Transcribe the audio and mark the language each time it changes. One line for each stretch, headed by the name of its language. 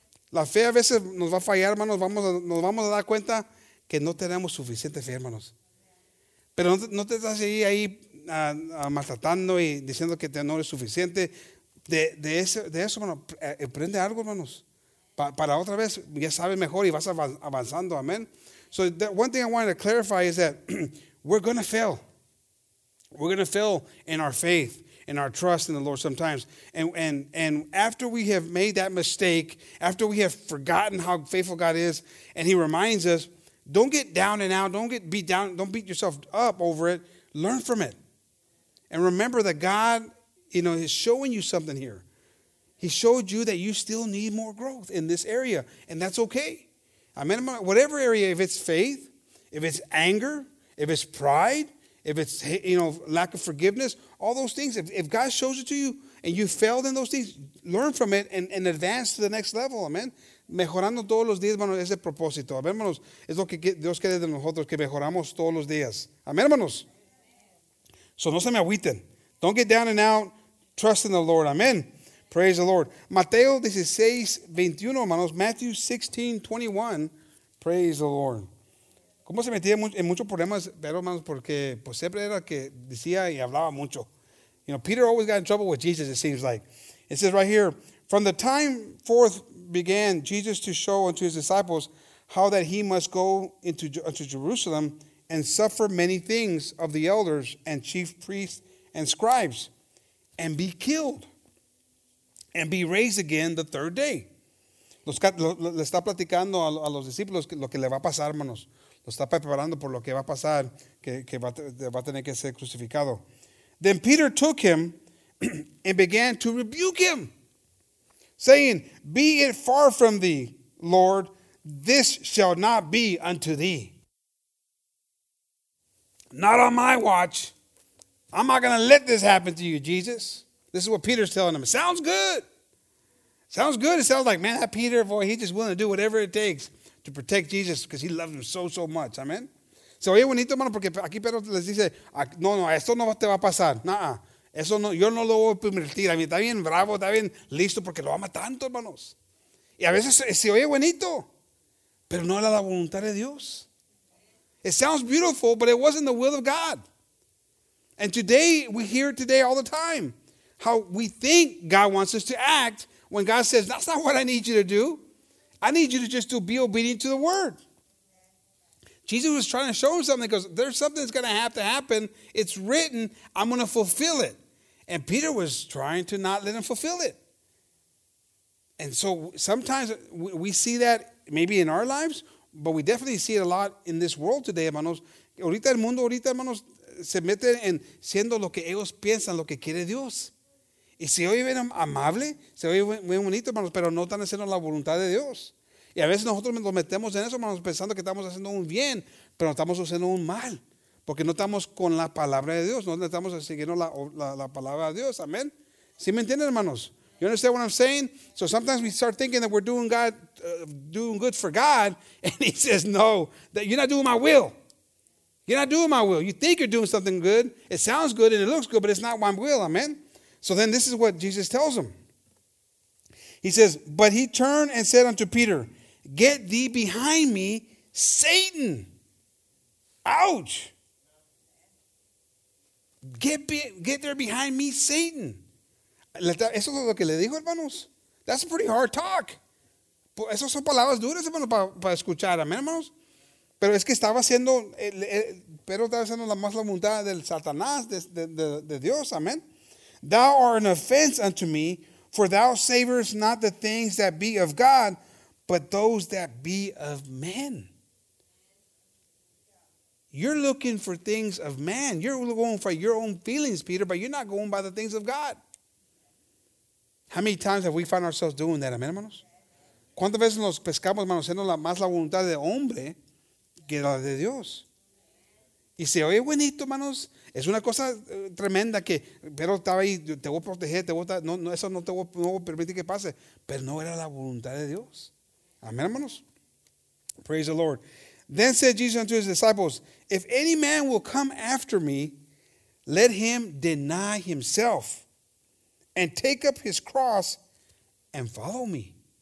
Spanish: La fe a veces nos va a fallar, hermanos. Nos vamos a dar cuenta que no tenemos suficiente fe, hermanos. Pero no te estás ahí maltratando y diciendo que no eres suficiente. De eso, hermano, aprende algo, hermanos. Para otra vez, ya sabes mejor y vas avanzando, amén.
English: So the one thing I wanted to clarify is that we're going to fail. We're going to fail in our faith, in our trust in the Lord sometimes. And after we have made that mistake, after we have forgotten how faithful God is, and he reminds us, don't get down and out. Don't get beat down. Don't beat yourself up over it. Learn from it. And remember that God, you know, is showing you something here. He showed you that you still need more growth in this area, and that's okay. I mean, whatever area, if it's faith, if it's anger, if it's pride, if it's, you know, lack of forgiveness, all those things, if God shows it to you and you failed in those things, learn from it and advance to the next level. Amen.
Spanish: Mejorando todos los días, hermanos, es el propósito. Amén, hermanos, es lo que Dios quiere de nosotros, que mejoramos todos los días. Amén, hermanos. So no se me agüiten.
English: Don't get down and out. Trust in the Lord.
Spanish: Amén.
English: Praise the Lord.
Spanish: Mateo 16, 21, hermanos.
English: Matthew 16, 21. Praise the Lord.
Spanish: ¿Cómo se metía en muchos problemas, hermanos? Porque pues siempre era que decía y hablaba mucho.
English: You know, Peter always got in trouble with Jesus, it seems like. It says right here, from the time forth began Jesus to show unto his disciples how that he must go into Jerusalem and suffer many things of the elders and chief priests and scribes and be killed and be raised again the third day.
Spanish: Le está platicando a los discípulos lo que le va a pasar, hermanos. Lo está preparando por lo que va a pasar, que va a tener que ser crucificado.
English: Then Peter took him and began to rebuke him, saying, be it far from thee, Lord, this shall not be unto thee. Not on my watch. I'm not going to let this happen to you, Jesus. This is what Peter's telling him. Sounds good. Sounds good. It sounds like, man, that Peter, boy, he's just willing to do whatever it takes to protect Jesus because he loves him so, so much. Amen.
Spanish: So, oye, bonito, hermano, porque aquí Pedro les dice, no, esto no te va a pasar. Nah. Eso no, yo no lo voy a permitir. A mí está bien bravo, está bien listo porque lo ama tanto, hermanos. Y a veces se oye bonito, pero no era la voluntad de Dios.
English: It sounds beautiful, but it wasn't the will of God. And today, we hear it today all the time, how we think God wants us to act when God says, that's not what I need you to do. I need you to just be obedient to the word. Jesus was trying to show him something because there's something that's going to have to happen. It's written. I'm going to fulfill it. And Peter was trying to not let him fulfill it. And so sometimes we see that maybe in our lives, but we definitely see it a lot in this world today, hermanos.
Spanish: Ahorita el mundo, ahorita, hermanos, se mete en siendo lo que ellos piensan, lo que quiere Dios. Y se oye bien amable, se oye bien bonito, hermanos, pero no están haciendo la voluntad de Dios. Y a veces nosotros nos metemos en eso, hermanos, pensando que estamos haciendo un bien, pero estamos haciendo un mal, porque no estamos con la palabra de Dios, no estamos siguiendo la palabra de Dios. Amén. ¿Sí me entienden, hermanos?
English: You understand what I'm saying? So sometimes we start thinking that we're doing God, doing good for God, and he says, no, that you're not doing my will. You're not doing my will. You think you're doing something good. It sounds good and it looks good, but it's not my will. Amen. So then this is what Jesus tells him. He says, but he turned and said unto Peter, get thee behind me, Satan. Ouch. Get there behind me, Satan.
Spanish: Eso es lo que le dijo, hermanos.
English: That's a pretty hard talk.
Spanish: Esas son palabras duras, hermanos, para escuchar. Amén, hermanos. Pero es que estaba haciendo, Pedro estaba haciendo la más la voluntad del Satanás, de Dios. Amén.
English: Thou art an offense unto me, for thou savorest not the things that be of God, but those that be of men. You're looking for things of man. You're going for your own feelings, Peter, but you're not going by the things of God. How many times have we found ourselves doing that, amen, hermanos?
Spanish: ¿Cuántas veces nos pescamos, hermanos, siendo más la voluntad de hombre que la de Dios? Y se oye bonito, hermanos. Es una cosa tremenda que, pero estaba ahí, te voy a proteger, te voy a estar, no voy a permitir que pase. Pero no era la voluntad de Dios. Amén, hermanos.
English: Praise the Lord. Then said Jesus unto his disciples, if any man will come after me, Let him deny himself and take up his cross and follow me.